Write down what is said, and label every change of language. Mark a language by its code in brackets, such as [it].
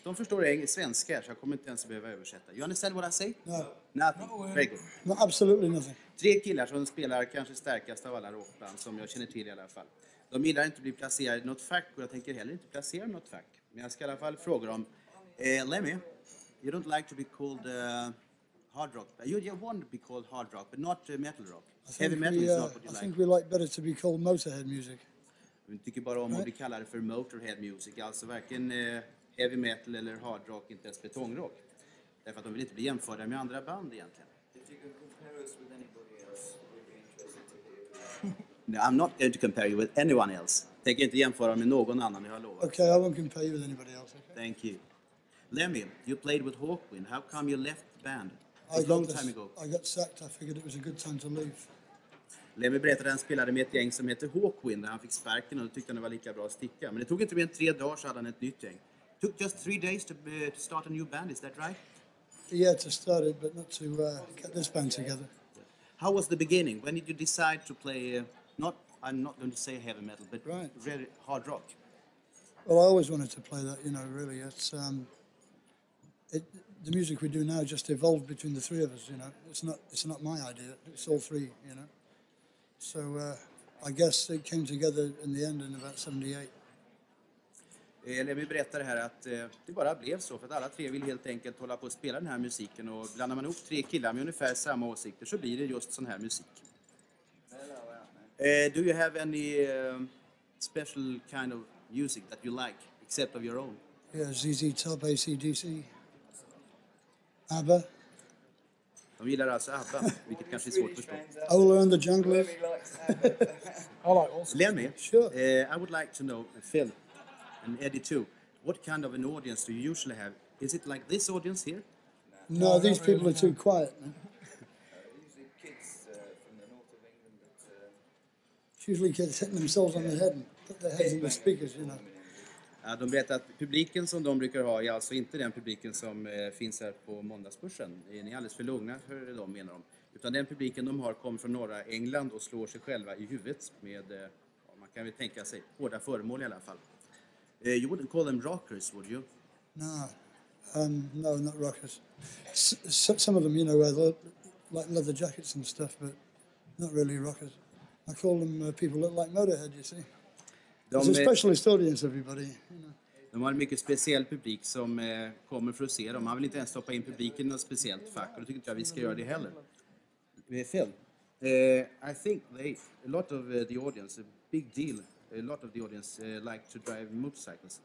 [sv] De förstår svenska här, så jag kommer inte ens behöva översätta. [en] You understand what I say? No. Nothing. No, absolutely nothing. [sv] Tre killar som spelar kanske starkast av alla rockband som jag känner till i alla fall. De gillar inte bli placerade i något fack och jag tänker heller inte placera något fack. Men jag ska i alla fall fråga dem. [en] Lemmy, you don't like to be called hard rock. You want to be called hard rock, but not metal rock. Heavy metal is not what you like. I think we like better to be called Motörhead music. [sv] Vi tycker bara om att vi kallar det för Motörhead music. Alltså varken heavy metal eller hard rock, inte ens betongrock. Därför att de vill inte bli jämförda med andra band egentligen. [en] If you can compare us with anybody else, we'd be interested to hear. No, I'm not going to compare you with anyone else. [sv] Tänk inte jämföra med någon annan, jag lovar. [en] Okay, I won't compare you with anybody else. Okay? Thank you. Lemmy, you played with Hawkwind. How come you left the band? A long time ago. I got sacked. I figured it was a good time to leave. [sv] Lemmy berättade att han spelade med ett gäng som heter Hawkwind där han fick sparken och tyckte han var lika bra att sticka. Men det tog inte mer än 3 dagar så hade han ett nytt gäng. [en] It took just 3 days to start a new band, is that right? Yeah, to start it, but not to get this band together. How was the beginning? When did you decide to play, I'm not going to say heavy metal, but really hard rock? Well, I always wanted to play that, you know, really. It's the music we do now just evolved between the three of us, you know. It's not my idea, it's all three, you know. So I guess it came together in the end in about 78. [sv] Lemmy berättade här att det bara blev så för att alla tre vill helt enkelt hålla på och spela den här musiken och blandar man ihop tre killar med ungefär samma åsikter så blir det just sån här musik. [en] Do you have any special kind of music that you like except of your own? Yeah, ZZ Top, AC/DC, ABBA. [sv] De gillar alltså ABBA, vilket kanske är svårt att förstå. [en] Ola and the Junglers. Lemmy, sure. I would like to know, Phil and Eddie too, what kind of an audience do you usually have? Is it like this audience here? No, no, these people really are too quiet. Usually kids from the north of England. It's usually kids hitting themselves on the head and put their heads in the speakers, you know. [sv] De berättar att publiken som de brukar ha är alltså inte den publiken som finns här på måndagsbörsen. Ni är alldeles för lugna, hör de menar de. Utan den publiken de har kommer från norra England och slår sig själva i huvudet med, man kan väl tänka sig, hårda föremål i alla fall. [en] You wouldn't call them rockers, would you? No, not rockers. Some of them, you know, wear like leather jackets and stuff, but not really rockers. I call them people that like Motörhead, you see. [sv] De har en mycket speciell publik som kommer för att se dem. Man vill inte ens stoppa in publiken i något speciellt fack och då tycker inte jag vi ska göra det heller. [en] Phil, I think a lot of the audience, a big deal, a lot of the audience like to drive motorcycles.